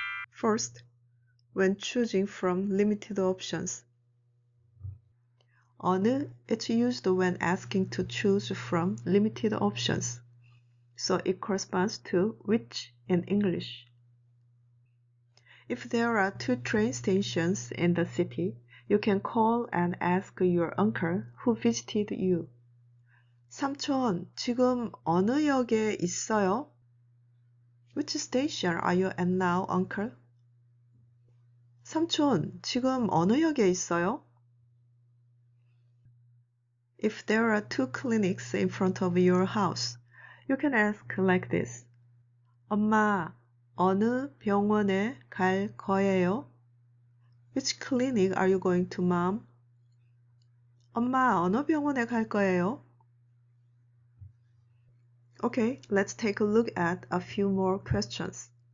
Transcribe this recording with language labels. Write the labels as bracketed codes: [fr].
[en] First, when choosing from limited options, 어느, it's used when asking to choose from limited options. So it corresponds to which in English. If there are two train stations in the city, you can call and ask your uncle who visited you. [ko] 삼촌, 지금 어느 역에 있어요? [en] Which station are you at now, uncle? [ko] 삼촌, 지금 어느 역에 있어요? [en] If there are two clinics in front of your house, you can ask like this. [ko] 엄마, 어느 병원에 갈 거예요? [en] Which clinic are you going to, mom? [ko] 엄마, 어느 병원에 갈 거예요? [en] Okay, let's take a look at a few more questions.